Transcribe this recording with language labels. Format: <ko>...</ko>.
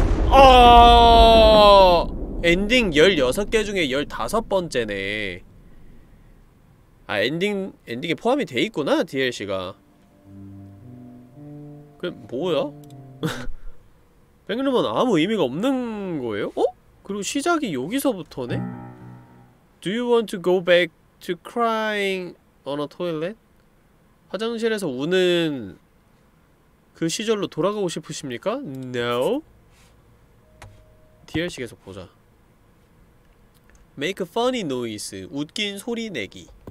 <ko>아 엔딩 16개 중에 15번째네. 아 엔딩에 포함이 돼 있구나 DLC가. 그 뭐야? 백룸은 아무 의미가 없는 거예요? 어? 그리고 시작이 여기서부터네.</ko> <en>Do you want to go back to crying on a toilet?</en> <ko>화장실에서 우는 그 시절로 돌아가고 싶으십니까? No. DLC 계속 보자.</ko> <en>Make a funny noise.</en> <ko>웃긴 소리 내기.</ko>